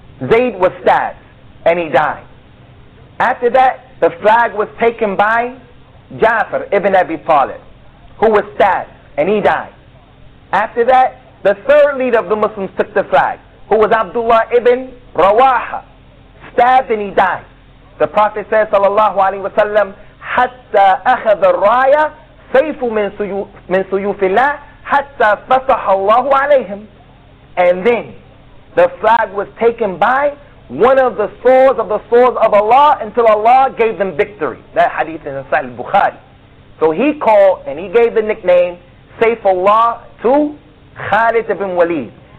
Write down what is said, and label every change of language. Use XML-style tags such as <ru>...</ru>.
<en>Zayd was stabbed, and he died. After that, the flag was taken by Ja'far ibn Abi Talib, who was stabbed, and he died. After that, the third leader of the Muslims took the flag, who was Abdullah ibn Rawaha, stabbed and he died. The Prophet said,</en> <ar>sallallahu alayhi wa sallam, حَتَّى أَخَذَ الرَّايَ سَيْفُ مِن سُيُوفِ اللَّهِ حَتَّى فَصَحَ اللَّهُ عَلَيْهِمْ.</ar> <en>And then, the flag was taken by one of the swords of the swords of Allah until Allah gave them victory. That hadith is in Sahih al-Bukhari. So he called and he gave the nickname Saifullah to Khalid ibn Walid.</en>